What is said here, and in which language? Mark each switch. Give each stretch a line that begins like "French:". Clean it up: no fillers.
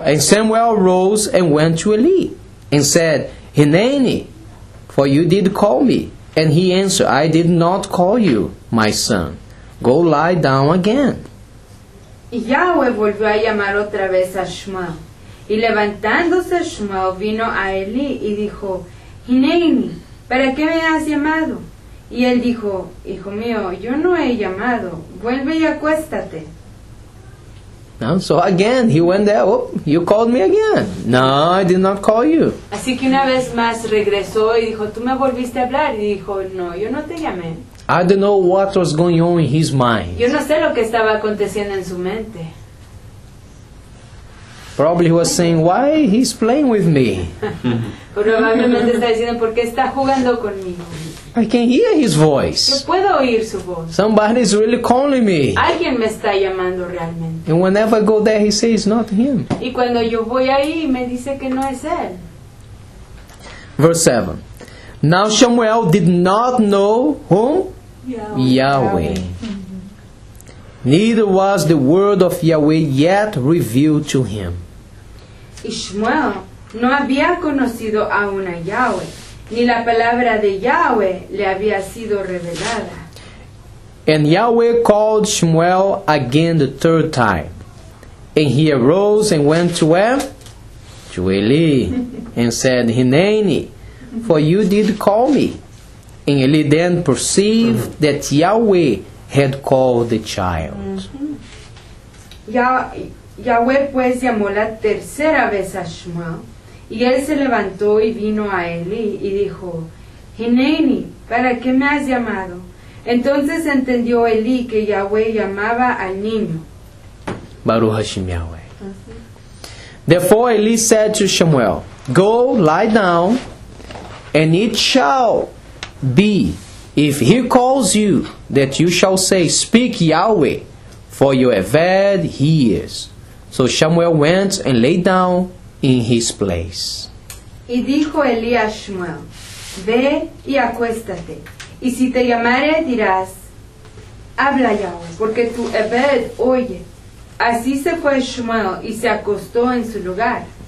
English: And Samuel rose and went to Eli and said, Hineni, for you did call me. And he answered, I did not call you, my son. Go lie down again.
Spanish: Yahweh volvió a llamar otra vez a Shmuel. Y levantándose Shmuel vino a Eli y dijo, Hineni, ¿para qué me has llamado? Y él dijo, hijo mío, yo no he llamado. Vuelve y acuéstate.
English: No, so again, he went there, oh, you called me again. No, I did not call you.
Spanish: Así que una vez más regresó y dijo, tú me volviste a hablar. Y dijo, no, yo no te llamé.
English: I don't know what was going on in his mind.
Spanish: Yo no sé lo que estaba aconteciendo en su mente.
English: Probably he was saying, why he's playing with me?
Spanish: Probablemente está diciendo, ¿por qué está jugando conmigo?
English: I can hear his voice.
Spanish: Yo puedo oír su voz.
English: Somebody is really calling me.
Spanish: Alguien me está llamando realmente.
English: And whenever I go there, he says it's not him.
Spanish: Y cuando yo voy ahí, me dice que no es él.
English: Verse 7. Now Shamuel did not know whom? Yahweh. Neither was the word of Yahweh yet revealed to him.
Spanish: Y Shmuel no había conocido aún a Yahweh. Ni la palabra de Yahweh le había sido revelada.
English: And Yahweh called Shmuel again the third time. And he arose and went to where? To Eli. And said, Hineni, for you did call me. And Eli then perceived that Yahweh had called the child.
Spanish: Yahweh pues llamó la tercera vez a Shmuel. Y él se levantó y vino a Eli y dijo, Hineni, ¿para qué me has llamado? Entonces entendió Eli que Yahweh llamaba al niño.
Hebrew: Baruch Hashem Yahweh.
English: Therefore Eli said to Shamuel, go lie down, and it shall be, if he calls you, that you shall say, speak Yahweh, for you have heard he is. So Shamuel went and lay down in his place.
Spanish: Y dijo Eli a Shmuel, ve y acuéstate, y si te llamare dirás, habla Yahweh, porque tu Ebed oye. Así se fue Shmuel y se acostó en su lugar.